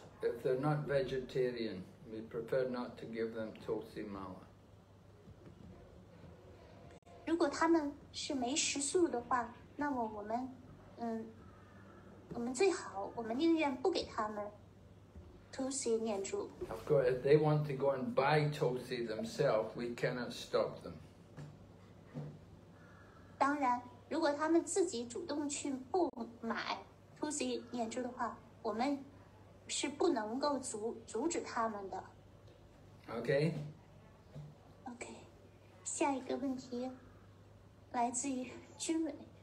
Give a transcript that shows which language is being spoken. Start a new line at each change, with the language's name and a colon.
English: If they're not vegetarian, we prefer not to give them Tulsi mala.
Chinese: 如果他们是没食素的话，那么我们宁愿不给他们 Tulsi 念珠。
English: Of course, if they want to go and buy Tulsi themselves, we cannot stop them.
Chinese: 当然，如果他们自己主动去不买 Tulsi 念珠的话，我们是不能够阻止他们的。
English: Okay. Okay.
Chinese: 下一个问题来自于君伟。